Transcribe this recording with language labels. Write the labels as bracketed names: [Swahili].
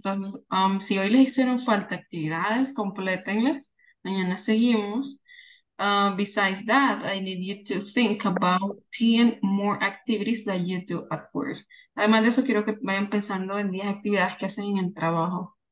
[Spanish] Entonces, si hoy les hicieron falta actividades, complétenlas. Mañana seguimos. [English] Besides that, I need you to think about 10 more activities that you do at work. [Spanish] Además de eso, quiero que vayan pensando en 10 actividades que hacen en el trabajo.